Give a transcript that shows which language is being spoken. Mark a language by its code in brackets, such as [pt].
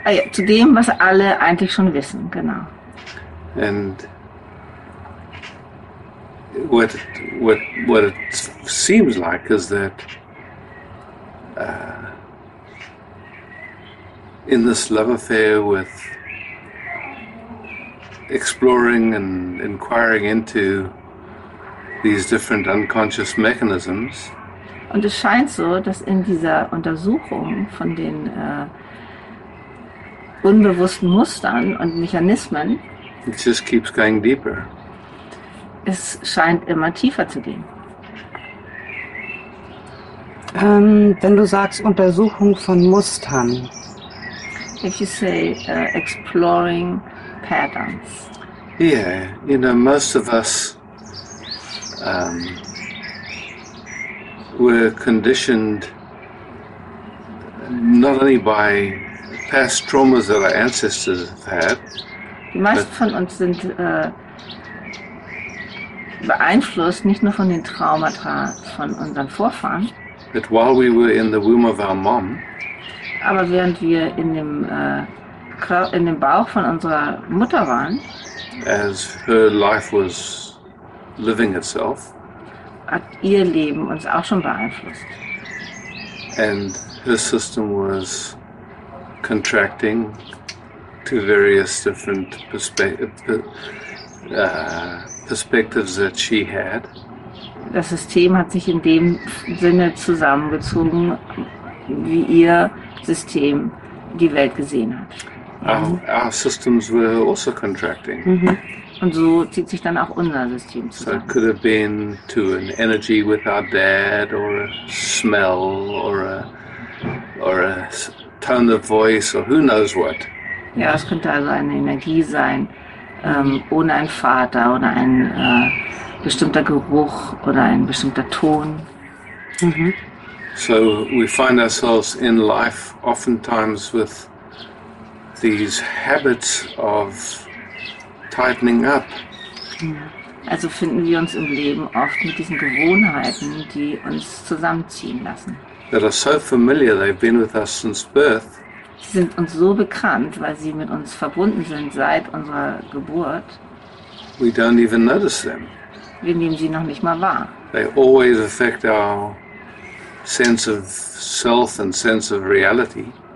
[de] zu dem, was alle eigentlich schon wissen, genau. [en] And what it seems like is that in this love affair with exploring and inquiring into these different unconscious mechanisms. [de] Und es scheint so, dass in dieser Untersuchung von den unbewussten Mustern und Mechanismen, [en] It just keeps going deeper. [de] es scheint immer tiefer zu gehen. Wenn du sagst Untersuchung von Mustern. [en] If you say exploring patterns. Most of us were conditioned not only by past traumas that our ancestors have had, [de] Die meisten [en] but [de] von uns sind beeinflusst nicht nur von den Traumata von unseren Vorfahren, [en] that while we were in the womb of our mom, [de] aber während wir in dem Bauch von unserer Mutter waren, [en] as her life was living itself, [de] hat ihr Leben uns auch schon beeinflusst. [en] and her system was contracting to various different perspectives that she had. [de] Das System hat sich in dem Sinne zusammengezogen, wie ihr System die Welt gesehen hat. [en] Our systems were also contracting. [de] Und so zieht sich dann auch unser System [en] So it [de] zusammen. [en] could have been to an energy with our dad, or a smell, or a tone of voice, or who knows what. [de] Ja, es könnte also eine Energie sein, ohne einen Vater oder ein bestimmter Geruch oder ein bestimmter Ton. [en] So we find ourselves in life oftentimes with these habits of tightening up. [de] Also finden wir uns im Leben oft mit diesen Gewohnheiten, die uns zusammenziehen lassen. [en] That are so familiar, they've been with us since birth. [de] Sind uns so bekannt, weil sie mit uns verbunden sind seit unserer Geburt. [en] We don't even notice them. [de] Wir nehmen sie noch nicht mal wahr. [en] They always affect our sense of self and sense of reality.